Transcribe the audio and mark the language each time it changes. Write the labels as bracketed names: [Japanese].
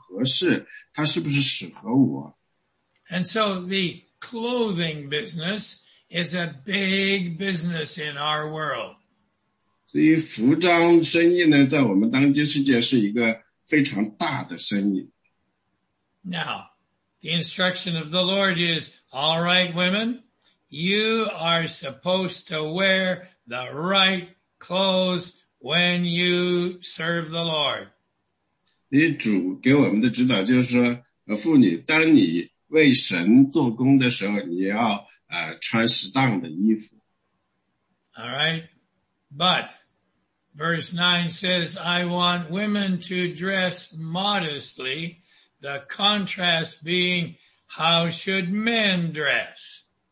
[Chinese] 他们去每一个地方的时候，他们说呢，我们不确定这件衣服穿到那里是不是合适，它是不是适合我。 [English] And so the clothing business is a big business in our world. [Chinese] 所以服装生意呢，在我们当今世界是一个 [English] Now, the instruction of the Lord is, all right, women, you are supposed to wear the right clothes when you serve the Lord. [Chinese] 主给我们的指导就是说，妇女，当你为神做工的时候，你要穿适当的衣服。 [English] All right, but Verse 9 says, I want women to dress modestly, the contrast being, how should men dress?